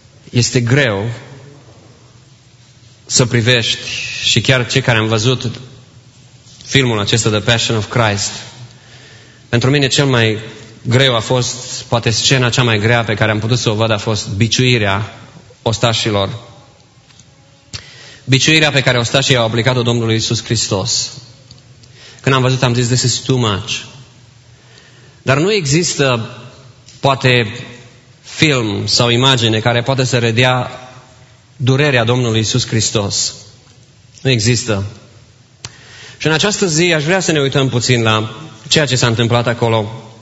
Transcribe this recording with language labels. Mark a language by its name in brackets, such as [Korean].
[Romanian] Este greu să privești, și chiar cei care am văzut filmul acesta The Passion of Christ, pentru mine cel mai greu a fost, poate scena cea mai grea pe care am putut să o văd, a fost biciuirea ostașilor. Biciuirea pe care ostașii au aplicat-o Domnului Iisus Hristos. Când am văzut, am zis: [English] this is too much. [Romanian] Dar nu există, poate, film sau imagine care poate să redea durerea Domnului Iisus Hristos. Nu există. Și în această zi aș vrea să ne uităm puțin la ceea ce s-a întâmplat acolo.